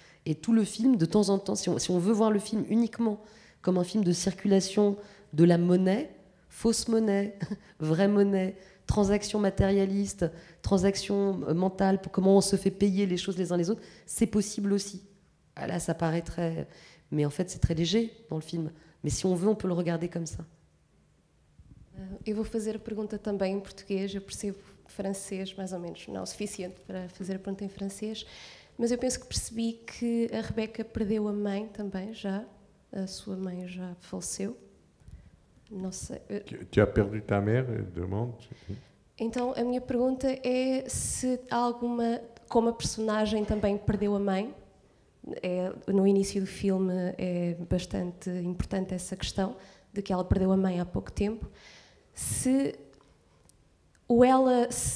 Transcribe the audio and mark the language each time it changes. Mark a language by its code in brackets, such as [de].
[fr] Et tout le film, de temps en temps, si on veut voir le film uniquement comme un film de circulation de la monnaie, fausse monnaie, vraie monnaie, transaction matérialiste, transaction mentale, pour comment on se fait payer les choses les uns les autres, c'est possible aussi. Là, ça paraît très... Mais en fait, c'est très léger dans le film. Mais si on veut, on peut le regarder comme ça. [pt] Eu vou fazer a pergunta também em português, eu percebo francês, mais ou menos, não o suficiente para fazer a pergunta em francês, mas eu penso que percebi que a Rebecca perdeu a mãe também, já, a sua mãe já faleceu. Não sei. [fr] Tu as perdu ta mère, demande. [pt] Então, a minha pergunta é se alguma, como a personagem também perdeu a mãe, no início do filme é bastante importante essa questão de que ela perdeu a mãe há pouco tempo, se ou ela,